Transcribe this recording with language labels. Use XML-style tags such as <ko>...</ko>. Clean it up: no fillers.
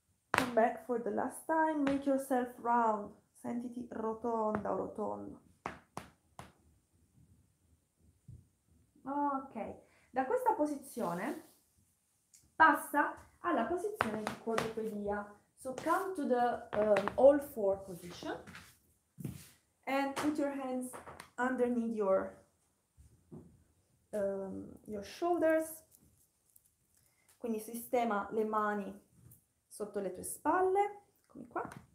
<en>Come back for the last time, make yourself round,</en> <it>sentiti rotonda o rotondo. Ok, da questa posizione passa alla posizione di quadrupedia.</it> <en>So come to the all four position and put your hands underneath your shoulders.</en> <it>Quindi sistema le mani sotto le tue spalle, come qua.</it>